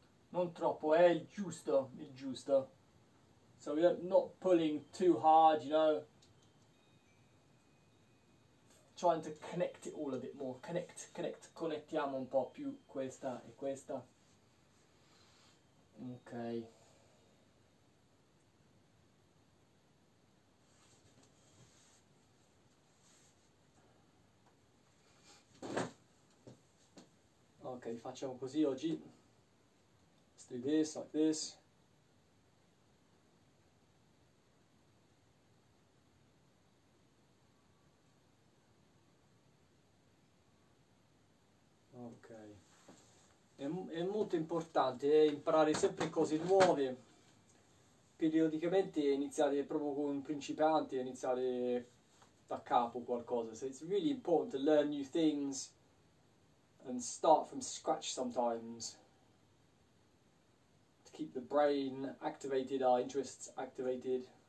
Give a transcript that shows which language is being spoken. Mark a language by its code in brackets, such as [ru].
[it] Non troppo, è il giusto, il giusto. [en] So we're not pulling too hard, you know. Trying to connect it all a bit more. [it] Connect, connect, connettiamo un po' più questa e questa. Ok. [en] Ok, [it] facciamo così oggi. [en] Let's do this, like this. [it] È molto importante imparare sempre cose nuove. Periodicamente iniziare proprio con un principiante, iniziare da capo qualcosa. [en] So it's really important to learn new things. And start from scratch sometimes to keep the brain activated, our interests activated.